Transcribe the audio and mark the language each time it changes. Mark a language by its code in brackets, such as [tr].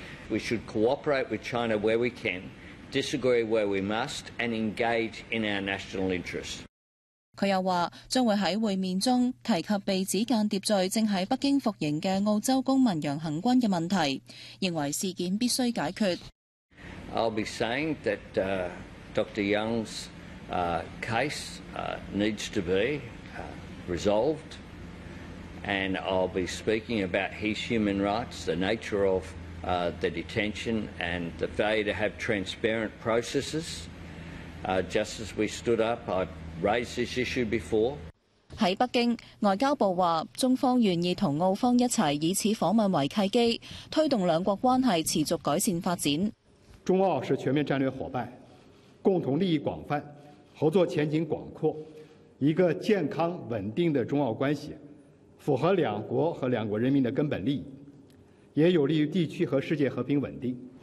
[en] We should cooperate with China where we can, disagree where we must, and engage in our national interests. [zh] 他又說將會在會面中提及被指間諜罪正在北京服刑的澳洲公民楊恆坤的問題，認為事件必須解決。 [en] I'll be saying that Dr. Young's case needs to be resolved, and I'll be speaking about his human rights, the nature of the detention and the failure to have transparent processes. Just as we stood up, I raise this issue before. [zh] 在北京，外交部說中方願意與澳方一起以此訪問為契機，推動兩國關係持續改善發展。中澳是全面戰略伙伴，共同利益廣泛，合作前景廣闊，一個健康穩定的中澳關係，符合兩國和兩國人民的根本利益，也有利於地區和世界和平穩定。